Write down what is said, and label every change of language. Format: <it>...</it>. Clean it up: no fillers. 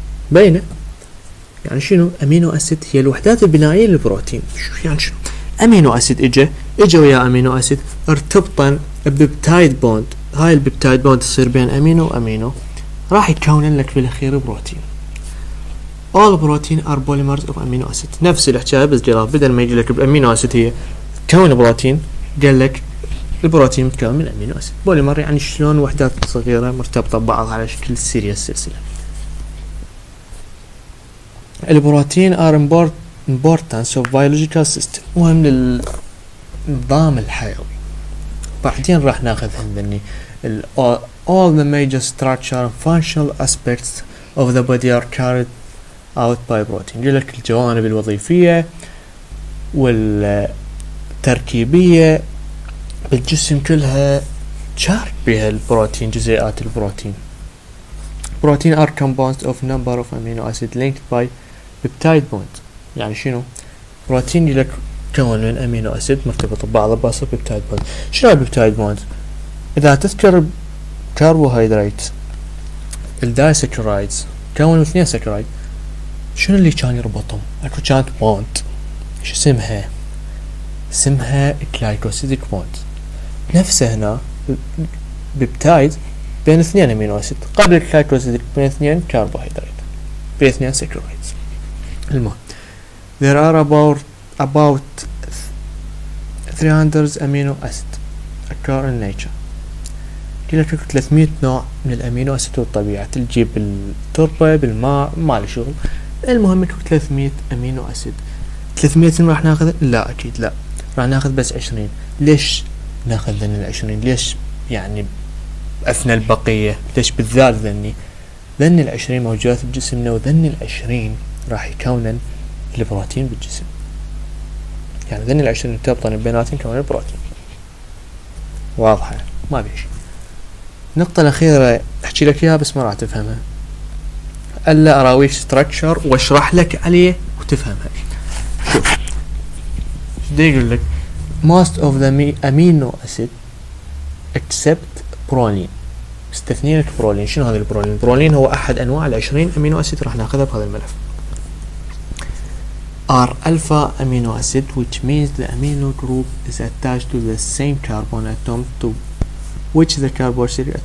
<ar>بينه يعني شنو؟ امينو اسيد هي الوحدات البنائيه للبروتين. شو يعني شنو؟ امينو اسيد اجا ويا امينو اسيد ارتبطن ببيبتايد بوند. هاي البيبتايد بوند تصير بين امينو وامينو، راح يكون لك بالاخير بروتين.</ar> <en>all protein are polymers of amino acid.</en> <ar>نفس الحكايه بالجراف، بدل ما يجي لك بالامينو اسيد هي تكون بروتين، قال لك البروتين متكون من امينو اسيد. بوليمر يعني شلون وحدات صغيره مرتبطه ببعض على شكل سيريال سلسله. البروتين ار</ar> <en>importance of biological system،</en> <ar>مهم للنظام الحيوي. بعدين راح ناخذ هندني</ar> <en>all the major structure and functional aspects of the body are carried out by protein.</en> <ar>يقول لك الجوانب الوظيفية والتركيبية بالجسم كلها تشارك بها البروتين، جزيئات البروتين.</ar> <en>Protein are composed of number of amino acids linked by peptide bond.</en> <ar>يعني شنو؟ بروتين لك تكون من امينو اسيد مرتبط ببعض بواسطه بيبتايد بوند. شنو البيبتايد بوند؟ اذا تذكر كربوهيدرات الدايسكرايدز تكونوا اثنين سكرايد. شنو اللي كان يربطهم؟ اكو كانت بوند. شو اسمها؟ اسمها جلايكوسيديك بوند. نفسه هنا بيبتايد بين اثنين امينو اسيد، قبل الجلايكوسيديك بين اثنين كربوهيدرات، بين اثنين سكرايدز.</ar> <en>المهم there are about 300 amino acid occur in nature.</en> <ar>قلت لك 300 نوع من الامينو اسيد الطبيعة تلجي بالتربة بالماء ما له شغل. المهم انك 300 امينو اسيد. 300 راح ناخذ؟ لا اكيد لا، راح ناخذ بس 20. ليش ناخذ ذن ال 20؟ ليش يعني اثنى البقية؟ ليش بالذات ذني؟ ذن ال 20 موجودات بجسمنا، وذن ال 20 راح يكونن البروتين بالجسم. يعني ذني العشرين ترتبطن بيناتهم كمان البروتين. واضحة؟ ما في شيء. النقطة الأخيرة أحكي لك إياها بس ما راح تفهمها. ألا أراويك ستراكشر وأشرح لك عليه وتفهمها. شوف. شو دي يقول لك؟</ar> <en>Most of the amino acid except prolin.</en> <ar>مستثنين البرولين. شنو هذا البرولين؟ البرولين هو أحد أنواع العشرين أمينو أسيد راح ناخذها بهذا الملف.</ar> <en>are alpha amino acid which means the amino group is attached to the same carbon atom to which the carboxyl.</en>